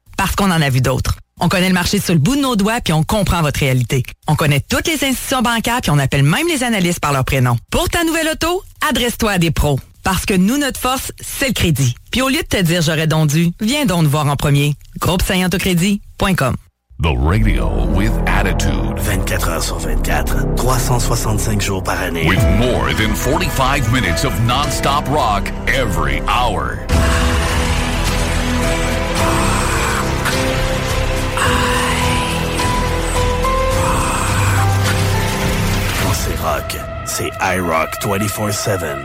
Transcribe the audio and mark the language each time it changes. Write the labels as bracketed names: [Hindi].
[French] Parce qu'on en a vu d'autres. On connaît le marché sur le bout de nos doigts puis on comprend votre réalité. On connaît toutes les institutions bancaires puis on appelle même les analystes par leur prénom. Pour ta nouvelle auto, adresse-toi à des pros. Parce que nous, notre force, c'est le crédit. Puis au lieu de te dire j'aurais donc dû, viens donc nous voir en premier. groupe-saint-autocrédit.com. [English] The Radio with Attitude. [French] 24 heures sur 24, 365 jours par année. [English] With more than 45 minutes of non-stop rock every hour. [French] Quand c'est rock, c'est IROCK 24-7.